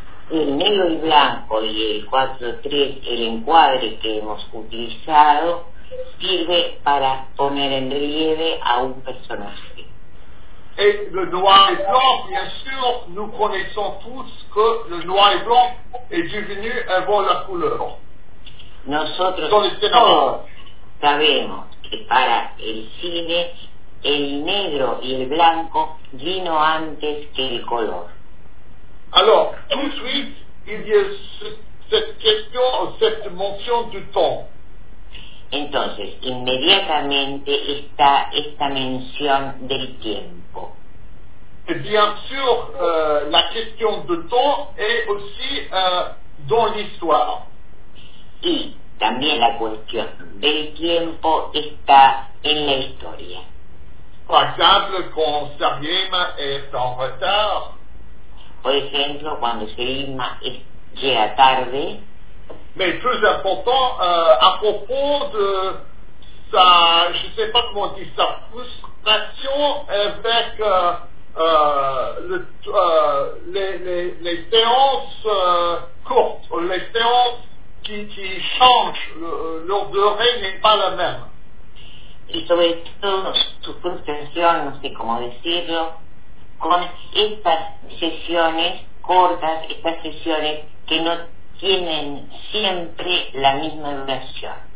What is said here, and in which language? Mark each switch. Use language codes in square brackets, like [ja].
[es] El negro y blanco y el 4-3, el encuadre que hemos utilizado, sirve para poner en relieve a un personaje. [fr] Et le noir et blanc, bien sûr, nous connaissons tous que le noir et blanc est devenu avant la couleur. [es] Nosotros todos sabemos que para el cine, el negro y el blanco vino antes que el color. [fr] Alors, tout de suite, il y a cette question, cette mention du temps. [es] Entonces, inmediatamente está esta mención del tiempo. [fr] Et bien sûr, la question du temps est aussi dans l'histoire. [es] Y también la cuestión del tiempo está en la historia. [fr] Par exemple, quand Sarajevo est en retard. [es] Por ejemplo, cuando Selima llega tarde. [fr] Mais plus important, à propos de sa, je sais pas comment dire, sa frustration avec les séances courtes, les séances qui changent, leur durée n'est pas la même. Et [es] sobre todo, su frustración, no sé cómo decirlo, con estas sesiones cortas, estas sesiones que no tienen siempre la misma duración.